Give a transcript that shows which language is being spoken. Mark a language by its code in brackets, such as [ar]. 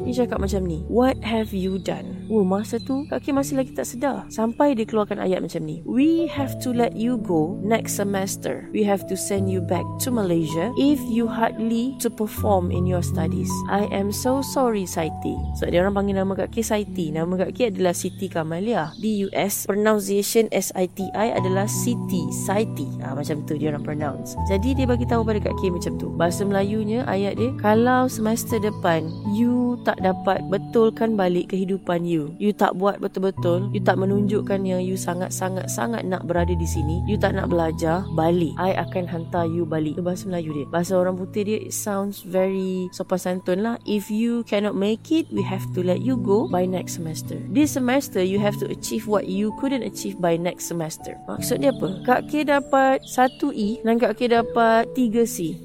[ms] Dia cakap macam ni, [en] "What have you done?" [ms] Oh, masa tu Kak K masih lagi tak sedar. Sampai dia keluarkan ayat macam ni, [en] "We have to let you go next semester. We have to send you back to Malaysia if you hardly to perform in your studies. I am so sorry, Siti." [ms] So dia orang panggil nama Kak K Siti. Nama Kak K adalah Siti Kamalia. Di US, pronunciation S-I-T-I adalah Siti, Siti. Macam tu dia orang pronounce. Jadi dia bagi tahu pada Kak K macam tu. Bahasa Melayunya ayat dia, "Kalau semester depan you tak dapat betulkan balik kehidupan you, you tak buat betul-betul, you tak menunjukkan yang you sangat-sangat-sangat nak berada di sini, you tak nak belajar balik, I akan hantar you balik." Itu bahasa Melayu dia. Bahasa orang putih dia, [en] it sounds very [ms] sopan santun lah. [en] "If you cannot make it, we have to let you go by next semester. This semester you have to achieve what you couldn't achieve by next semester." [ms] Maksud dia apa? Kak K dapat 1E dan Kak K dapat 3C.